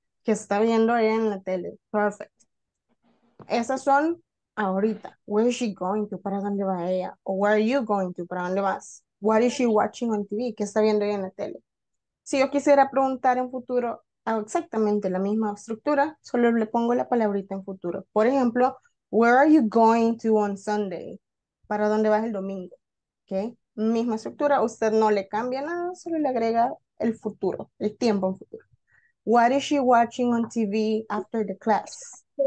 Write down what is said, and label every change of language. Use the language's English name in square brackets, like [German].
[Spanish] ¿Qué está viendo ahí en la tele? Perfect. Esas son ahorita. [English] Where is she going to? [Spanish] ¿Para dónde va ella? [English] O where are you going to? [Spanish] ¿Para dónde vas? [English] What is she watching on TV? [Spanish] ¿Qué está viendo ahí en la tele? Si yo quisiera preguntar en futuro, hago exactamente la misma estructura, solo le pongo la palabrita en futuro. Por ejemplo, [English] where are you going to on Sunday? [Spanish] ¿Para dónde vas el domingo? ¿Okay? Misma estructura, usted no le cambia nada, solo le agrega el futuro, el tiempo en futuro. [English] What is she watching on TV after the class?